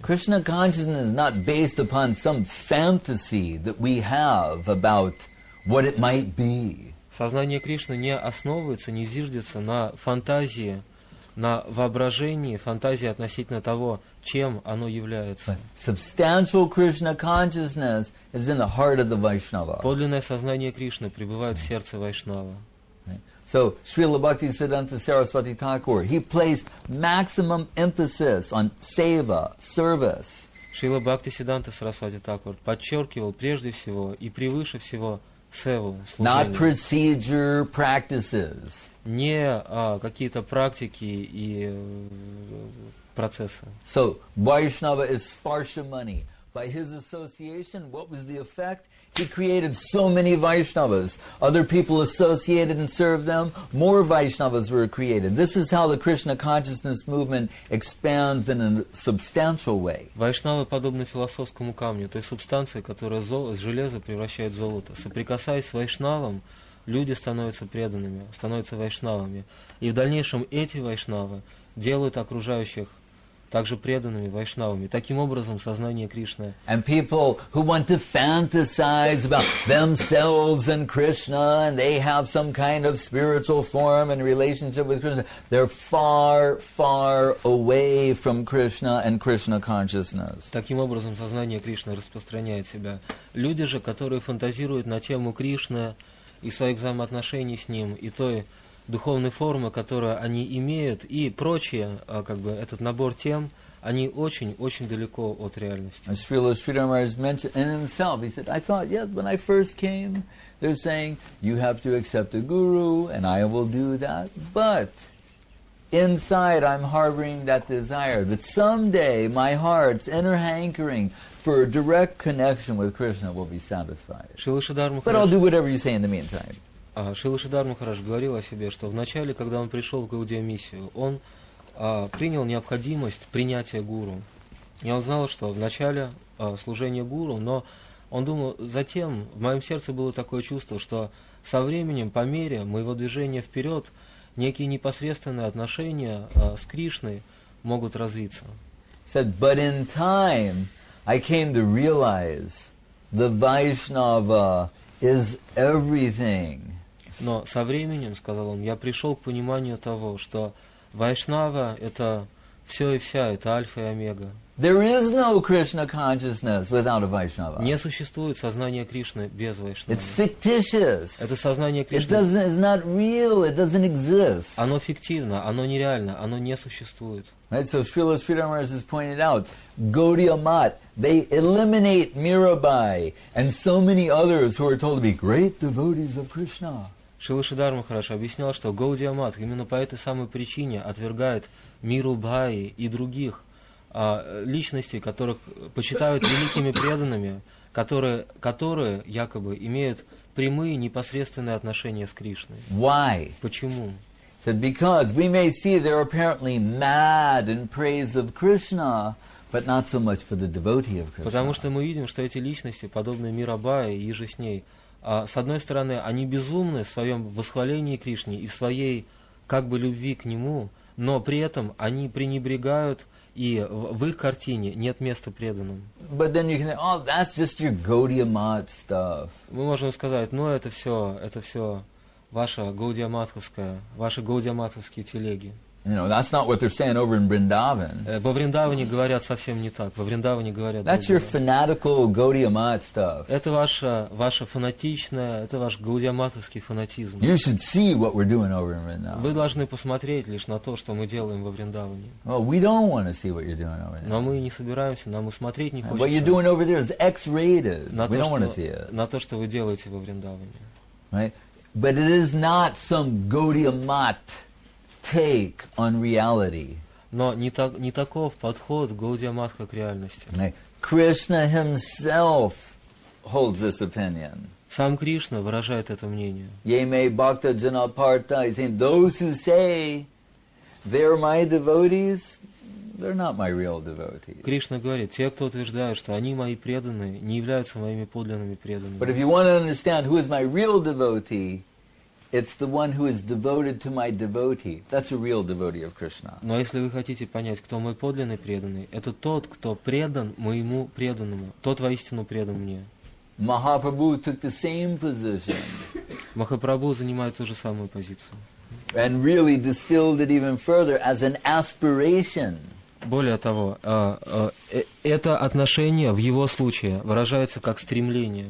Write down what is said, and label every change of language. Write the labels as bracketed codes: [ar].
[en] Krishna consciousness is not based upon some fantasy that we have about what it might be. [ru] Сознание Кришны не основывается, не зиждется на фантазии, на воображении, фантазии относительно того, чем оно является. [en] Substantial Krishna consciousness is in the heart of the Vaishnava. [ru] Подлинное сознание Кришны пребывает в сердце Вайшнава. [en] So Srila Bhakti Siddhanta Saraswati Thakur, he placed maximum emphasis on seva, service. [ru] Srila Bhakti Siddhanta Saraswati Thakur подчеркивал прежде всего и превыше всего севу, служение. [en] Not procedure practices. [ru] Не какие-то практики и процессы. [en] So Vaishnava is sparsha money. By his association, what was the effect? He created so many Vaishnavas. Other people associated and served them. More Vaishnavas were created. This is how the Krishna consciousness movement expands in a substantial way. [ru] Вайшнавы подобны философскому камню, той субстанции, которая железо превращает в золото. Соприкасаясь с вайшнавом, люди становятся преданными, становятся вайшнавами. И в дальнейшем эти вайшнавы делают окружающих также преданными вайшнавами. Таким образом, сознание Кришны. [en] And people who want to fantasize about themselves and Krishna, and they have some kind of spiritual form and relationship with Krishna, they're far, far away from Krishna and Krishna consciousness. [ru] Таким образом, сознание Кришны распространяет себя. Люди же, которые фантазируют на тему Кришны и своих взаимоотношений с Ним, и той духовные формы, которые они имеют, и прочие, как бы этот набор тем, они очень-очень далеко от реальности. [en] As Srila Sridharmaraj mentioned in himself, he said, I thought, yes, when I first came, they're saying, you have to accept a guru, and I will do that. But inside I'm harboring that desire that someday my heart's inner hankering for a direct connection with Krishna will be satisfied. Srila Sridharmaraj. But I'll do whatever you say in the meantime. [ru] Шрила Шридхар Махарадж говорил о себе, что вначале, когда он пришел в Гаудия-миссию, он принял необходимость принятия гуру. И он знал, что вначале служение гуру, но он думал, затем в моем сердце было такое чувство, что со временем, по мере моего движения вперед, некие непосредственные отношения с Кришной могут развиться. [en] He said, but in time I came to realize the Vaishnava is everything. [ru] Но со временем, сказал он, я пришел к пониманию того, что вайшнава – это все и вся, это альфа и омега. [en] There is no Krishna consciousness without a Vaishnava. [ru] Не существует сознание Кришны без вайшнавы. [en] It's fictitious. [ru] Это сознание Кришны. [en] It's not real. It doesn't exist. [ru] Оно фиктивно, оно нереально, оно не существует. [en] Right, so Srila Sridharmaraj has pointed out, Gaudiya Math, they eliminate Mirabai and so many others who are told to be great devotees of Krishna. [ru] Шрила Шридхар Махарадж объяснял, что Гаудия Мат именно по этой самой причине отвергает Мирубаи и других личностей, которых почитают великими преданными, которые якобы имеют прямые непосредственные отношения с Кришной. [en] Why? [ru] Почему? [en] So because we may see they're apparently mad in praise of Krishna, but not so much for the devotee of Krishna. [ru] Потому что мы видим, что эти личности, подобные Мирабаи и же с ней, с одной стороны, они безумны в своем восхвалении Кришне и в своей как бы любви к Нему, но при этом они пренебрегают, и в их картине нет места преданным. [en] But then you can say, oh, that's just your Gaudiya Math stuff. [ru] Мы можем сказать, ну это все ваша Gaudiya Mathovskaya, ваши Gaudiya Mathovskaya телеги. [en] You know, that's not what they're saying over in Vrindavan. [ru] Во Вриндаване говорят совсем не так. Во Вриндаване говорят. [en] That's your fanatical Gaudiya Math stuff. [ru] Это ваша фанатичная, это ваш Gaudiya Mathovskaya фанатизм. [en] You should see what we're doing over in Vrindavan. [ru] Вы должны посмотреть лишь на то, что мы делаем во Вриндаване. [en] Well, we don't want to see what you're doing over there. [ru] Но мы не собираемся, нам и смотреть не хочется. [en] What you're doing over there is X-rated. We don't want to see it. [ru] На то, что вы делаете во Вриндаване. [en] Right? But it is not some Gaudiya Math take on reality. [ru] Но не, так, не таков подход Гаудия Матха к реальности. [en] Krishna himself holds this opinion. [ru] Сам Кришна выражает это мнение. [en] Yemei bhakta janaparta is in those who say they're my devotees, they're not my real devotees. [ru] Кришна говорит, те, кто утверждают, что они мои преданные, не являются моими подлинными преданными. [en] But if you want to understand who is my real devotee, it's the one who is devoted to my devotee. That's a real devotee of Krishna. [ru] Но если вы хотите понять, кто мой подлинный преданный, это тот, кто предан моему преданному, тот воистину предан мне. [en] Mahaprabhu took the same position. [ru] Махапрабху занимает ту же самую позицию. [en] And really distilled it even further as an aspiration. [ru] Более того, это отношение в его случае выражается как стремление.